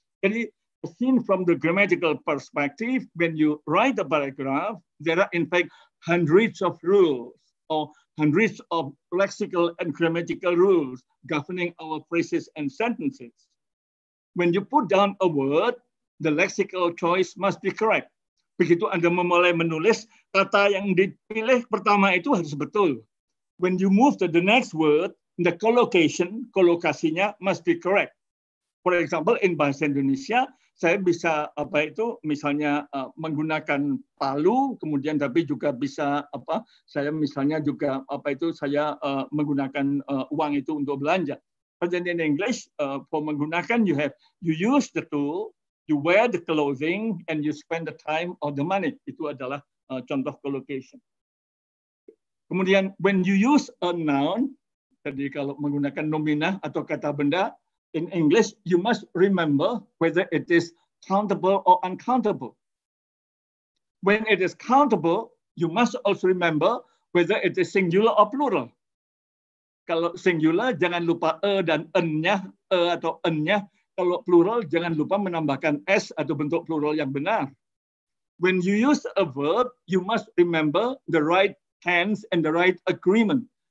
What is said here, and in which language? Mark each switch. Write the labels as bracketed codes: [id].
[en] Jadi seen from the grammatical perspective, when you write a paragraph, there are in fact hundreds of rules or hundreds of lexical and grammatical rules governing our phrases and sentences. When you put down a word, the lexical choice must be correct. [id] Begitu Anda memulai menulis, kata yang dipilih pertama itu harus betul. [en] When you move to the next word, the collocation, kolokasinya must be correct. For example, in [id] bahasa Indonesia, saya bisa apa itu misalnya menggunakan palu, kemudian tapi juga bisa apa? Saya misalnya juga apa itu saya menggunakan uang itu untuk belanja. [en] But then in English, for menggunakan, you use the tool, you wear the clothing, and you spend the time or the money. [id] Itu adalah contoh collocation. Kemudian, [en] when you use a noun, [id] jadi kalau menggunakan nomina atau kata benda, [en] in English, you must remember whether it is countable or uncountable. When it is countable, you must also remember whether it is singular or plural. [id] Kalau singular, jangan lupa dan en-nya, atau en-nya. Kalau plural, jangan lupa menambahkan s atau bentuk plural yang benar. [en] When you use a verb, you must remember the right tense and the right agreement.